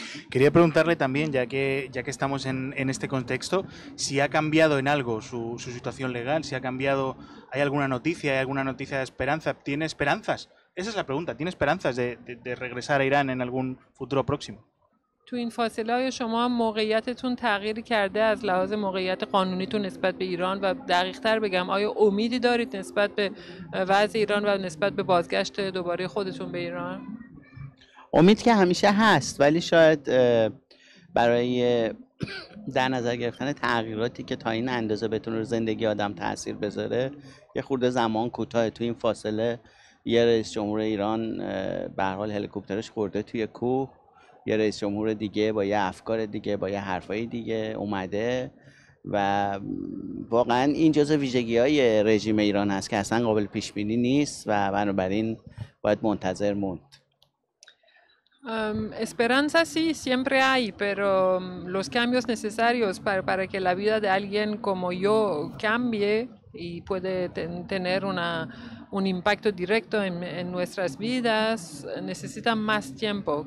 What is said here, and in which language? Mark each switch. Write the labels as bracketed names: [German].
[Spanish] Quería preguntarle también, ya que estamos en este contexto, si ha cambiado en algo su situación legal, si ha cambiado, hay alguna noticia de esperanza, ¿tiene esperanzas? Esa es la pregunta, ¿tiene esperanzas de regresar a Irán en algún futuro próximo? [Persian] تو این فاصله های شما موقعیتتون تغییر کرده از لحاظ موقعیت قانونیتون نسبت به ایران و دقیق تر بگم آیا امیدی دارید نسبت به وضع ایران و نسبت به بازگشت دوباره خودتون به ایران؟ امید که همیشه هست ولی شاید برای در نظر گرفتن تغییراتی که تا این اندازه بتونه رو زندگی آدم تأثیر بذاره یه خورده زمان کوتاه تو این فاصله یه رئیس جمهور ایران به هر حال هلیکوپترش خورده توی کوه یه رئیس جمهور دیگه با یه افکار دیگه با یه حرفای دیگه اومده و واقعا این جزء ویژگی های رژیم ایران هست که اصلا قابل پیش بینی نیست و بنابراین باید منتظر موند [Spanish] Esperanza sí, siempre hay, pero los cambios necesarios para que la vida de alguien como yo cambie y puede tener un impacto directo en nuestras vidas, necesitan más tiempo.